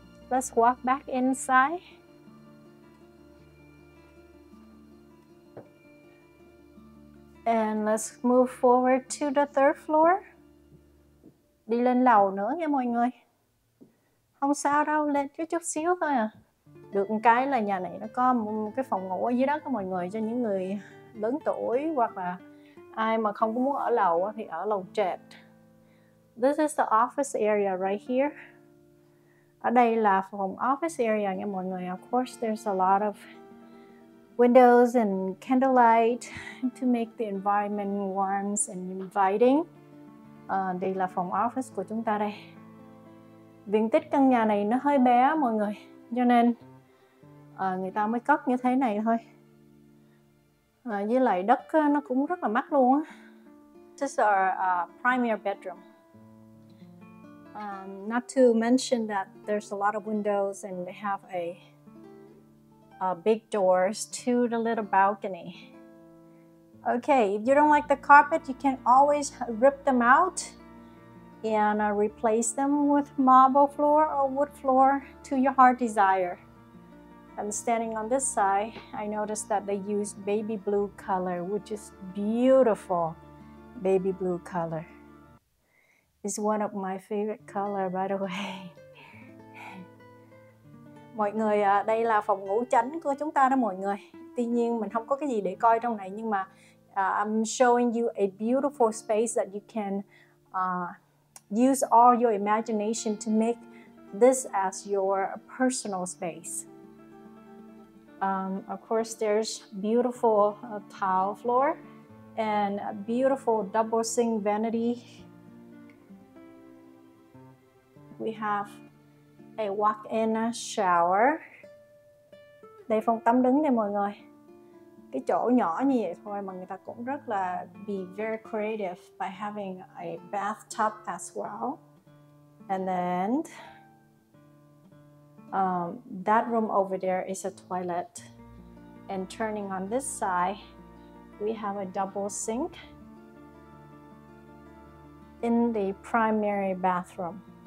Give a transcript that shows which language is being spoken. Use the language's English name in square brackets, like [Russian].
[English] Let's walk back inside. And let's move forward to the third floor. [Vietnamese] Đi lên lầu nữa nha mọi người. Không sao đâu, lên chút xíu thôi à. Được một cái là nhà này nó có một cái phòng ngủ ở dưới đất đó mọi người, cho những người lớn tuổi hoặc là ai mà không có muốn ở lầu thì ở lầu trệt. [English] This is the office area right here. [Vietnamese] Ở đây là phòng office area nha mọi người. [English] Of course there's a lot of windows and candlelight to make the environment warm and inviting. [Vietnamese] Đây là phòng office của chúng ta đây. Diện tích căn nhà này nó hơi bé mọi người, cho nên người ta mới cất như thế này thôi. Với lại đất nó cũng rất là mắc luôn. [English] This is our primary bedroom. Not to mention that there's a lot of windows and they have a big doors to the little balcony. Okay, if you don't like the carpet, you can always rip them out and replace them with marble floor or wood floor to your heart desire. And standing on this side, I noticed that they use baby blue color, which is beautiful baby blue color. It's one of my favorite color, by the way. [Vietnamese] Mọi người, đây là phòng ngủ chính của chúng ta đó mọi người. Tuy nhiên mình không có cái gì để coi trong này, nhưng mà [English] I'm showing you a beautiful space that you can use all your imagination to make this as your personal space. Of course, there's beautiful tile floor and a beautiful double sink vanity. We have a walk-in shower. [Vietnamese] Đây phòng tắm đứng nè mọi người. Cái chỗ nhỏ như vậy thôi mà người ta cũng rất là [English] be very creative by having a bathtub as well. And then that room over there is a toilet. And turning on this side, we have a double sink in the primary bathroom.